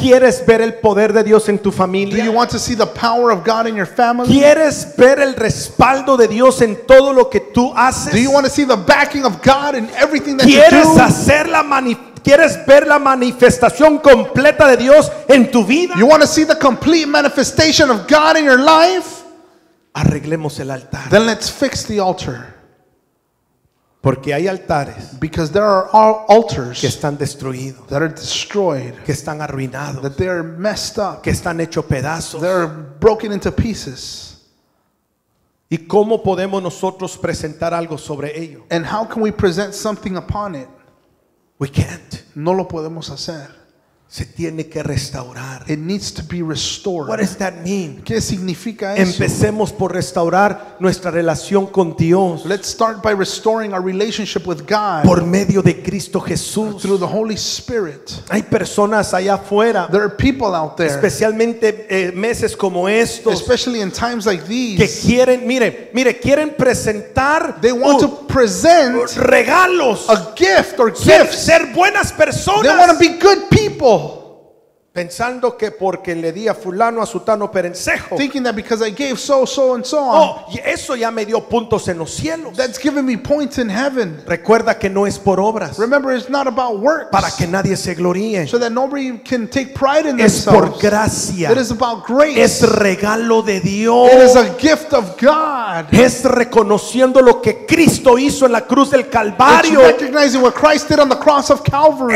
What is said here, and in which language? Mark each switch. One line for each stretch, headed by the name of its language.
Spanish: ¿Quieres ver el poder de Dios en tu familia?
English: Do you want to see the power of God in your family?
Spanish: ¿Quieres ver el respaldo de Dios en todo lo que tú haces?
English: Do you want to see the backing of God in everything that
Spanish: ¿quieres
English: you do?
Spanish: Hacer la ¿Quieres ver la manifestación completa de Dios en tu vida?
English: You want to see the complete manifestation of God in your life?
Spanish: arreglemos el altar.
English: Then let's fix the altar.
Spanish: Porque hay altares,
English: because there are altars
Spanish: que están destruidos,
English: that are destroyed,
Spanish: que están arruinados,
English: that they are messed up,
Spanish: que están hechos pedazos,
English: they are broken into pieces.
Spanish: ¿Y cómo podemos nosotros presentar algo sobre ello?
English: And how can we present something upon it? We can't.
Spanish: No lo podemos hacer. Se tiene que restaurar.
English: It needs to be restored. What does that mean?
Spanish: ¿Qué significa eso? Empecemos por restaurar nuestra relación con Dios.
English: Let's start by restoring our relationship with God.
Spanish: Por medio de Cristo Jesús.
English: Through the Holy Spirit.
Spanish: Hay personas allá afuera.
English: There are people out there.
Spanish: Especialmente meses como estos.
English: Especially in times like these.
Spanish: Que quieren, mire, quieren presentar.
English: They want to present
Spanish: regalos.
English: A gift or gifts.
Spanish: Ser buenas personas.
English: They want to be good people.
Spanish: Pensando que porque le di a fulano a sutano perencejo,
English: thinking that because I gave so so and so on,
Spanish: eso ya me dio puntos en los cielos.
English: That's giving me points in heaven.
Spanish: Recuerda que no es por obras.
English: Remember, it's not about works.
Spanish: Para que nadie se gloríe.
English: So that nobody can take pride in
Spanish: es
English: themselves.
Spanish: Es por gracia.
English: It is about grace.
Spanish: Es regalo de Dios.
English: It is a gift of God.
Spanish: Es reconociendo lo que Cristo hizo en la cruz del Calvario.
English: It's recognizing what Christ did on the cross of Calvary.